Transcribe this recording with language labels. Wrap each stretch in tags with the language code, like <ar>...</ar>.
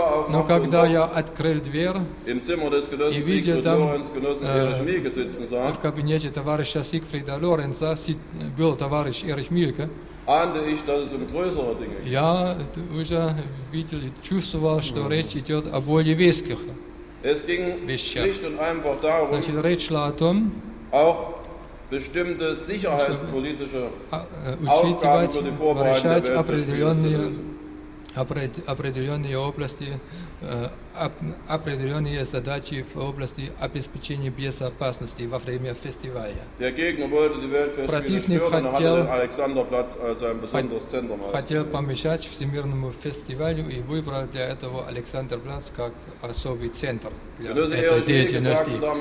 <ru>Но когда я открыл дверь и видел там в кабинете товарища Сигфрида Лоренца был товарищ Эрих Мильке, я уже видел и чувствовал, что речь идет о более веских</ru> <de>Es ging schlicht und einfach darum,</de> <ru>значит, речь шла о том,</ru> <de>auch bestimmte sicherheitspolitische Aufgaben für die Vorbereitung</de> <ru>определенные области, определенные задачи в области обеспечения безопасности во время фестиваля. Противник хотел помешать Всемирному фестивалю и выбрал для этого Александерплац как особый центр для этой деятельности.</ru>